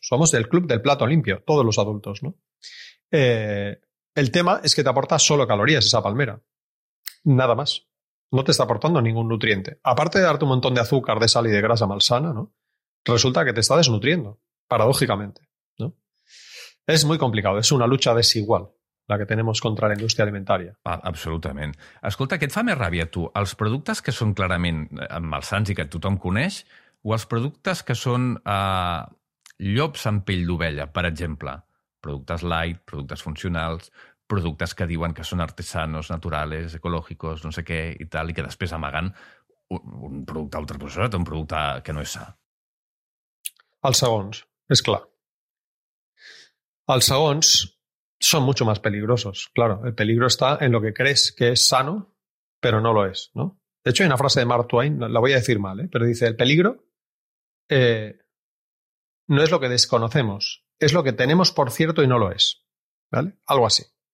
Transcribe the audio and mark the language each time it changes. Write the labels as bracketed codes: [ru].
[es] Somos del club del plato limpio, todos los adultos, ¿no? El tema es que te aporta solo calorías esa palmera. Nada más. No te está aportando ningún nutriente. Aparte de darte un montón de azúcar, de sal y de grasa malsana, ¿no? Resulta que te está desnutriendo, paradójicamente, ¿no? Es muy complicado, es una lucha desigual la que tenemos contra la industria alimentaria. [ca] Ah, absolutament. Escolta, què et fa més ràbia, tu? Els productes que són clarament malsans i que tothom coneix, o els productes que són llops amb pell d'ovella, per exemple? Productes light, productes funcionals, productes que diuen que són [es] artesanos, naturales, [ca] ecològicos, no sé què i tal, i que després amaguen un producte ultraprocessat, un producte que no és sa. Els segons, és clar. Els segons són [es] mucho más peligrosos. Claro, el peligro está en lo que crees que es sano, pero no lo es, ¿no? De hecho, hay una frase de Mark Twain, la voy a decir mal, ¿eh? Pero dice, el peligro no es lo que desconocemos, es lo que tenemos por cierto y no lo es, ¿vale? Algo así.